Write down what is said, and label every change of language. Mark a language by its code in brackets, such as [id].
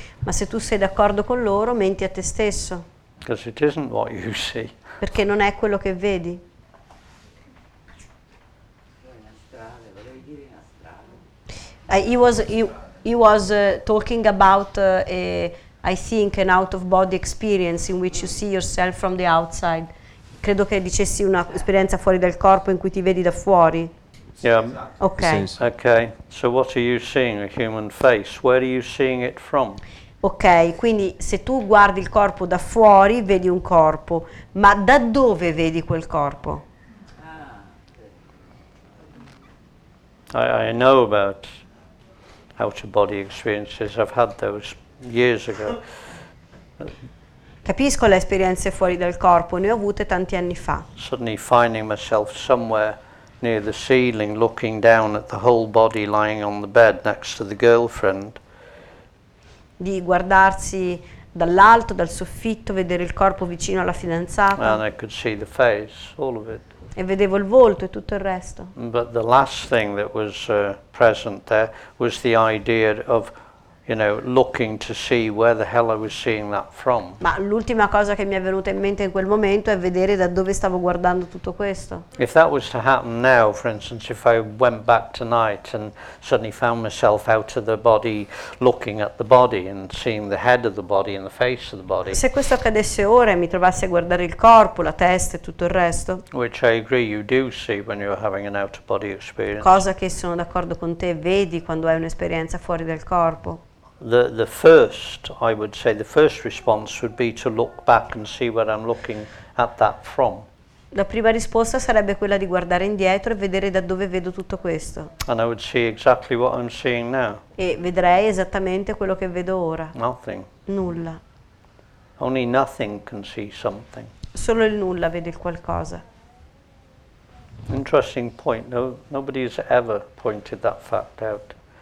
[it] Ma se tu sei d'accordo con loro, menti a te stesso. [en] Because it isn't what you see. [it] Perché non è quello che vedi. [en] He was talking about, I think, an out-of-body experience in which you see yourself from the outside. [it] credo che dicessi una esperienza fuori dal corpo in cui ti vedi da fuori. [en] Yeah. Okay. Okay. So what are you seeing? A human face. Where are you seeing it from? [it] Ok, quindi se tu guardi il corpo da fuori, vedi un corpo, ma da dove vedi quel corpo? [en] I know about outer body experiences. I've had those years ago. [it] Capisco le esperienze fuori dal corpo, ne ho avute tanti anni fa. [en] Suddenly finding myself somewhere near the ceiling, looking down at the whole body lying on the bed next to the girlfriend. [it] Di guardarsi dall'alto, dal soffitto, vedere il corpo vicino alla fidanzata. [en] And I could see the face, all of it. [it] E vedevo il volto e tutto il resto. [en] But the last thing that was present there was the idea of, you know, looking to see where the hell I was seeing that from. [it] Ma l'ultima cosa che mi è venuta in mente in quel momento è vedere da dove stavo guardando tutto questo. [en] If that was to happen now, for instance, if I went back tonight and suddenly found myself out of the body, looking at the body and seeing the head of the body and the face of the body. [it] Se questo accadesse ora e mi trovassi a guardare il corpo, la testa e tutto il resto. [en] Which I agree you do see when you're having an out of body experience. [it] Cosa che sono d'accordo con te, vedi quando hai un'esperienza fuori dal corpo. [en] The first, I would say, the first response would be to look back and see where I'm looking at that from. [it] La prima risposta sarebbe quella di guardare indietro e vedere da dove vedo tutto questo. [en] And I would see exactly what I'm seeing now. [it] E vedrei esattamente quello che vedo ora. [en] Nothing. [it] Nulla. [en] Only nothing can see something. [it] Solo il nulla vede il qualcosa. [en] Interesting point. No, nobody has ever pointed that fact out.